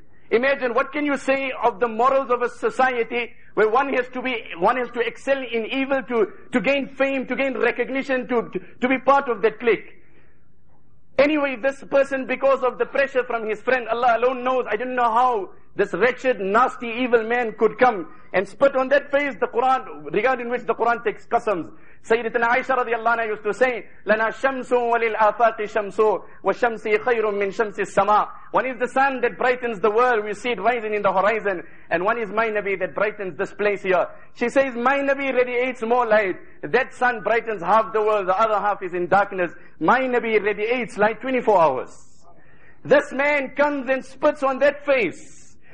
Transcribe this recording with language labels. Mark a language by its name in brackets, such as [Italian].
[English] Imagine, what can you say of the morals of a society where one has to excel in evil to gain fame, to gain recognition, to be part of that clique. Anyway, this person, because of the pressure from his friend, Allah alone knows, I don't know how this wretched, nasty, evil man could come and spit on that face the Quran, regarding which the Quran takes qasams. [Arabic] Sayyidatina Aisha radiallahu anha [English] used to say, [Arabic] لَنَا شَمْسٌ وَلِلْآفَاتِ شَمْسٌ وَشَمْسِي خَيْرٌ مِّن شَمْسِ السَّمَاءِ. [English] One is the sun that brightens the world, we see it rising in the horizon, and one is my Nabi that brightens this place here. She says, my Nabi radiates more light. That sun brightens half the world, the other half is in darkness. My Nabi radiates light 24 hours. This man comes and spits on that face.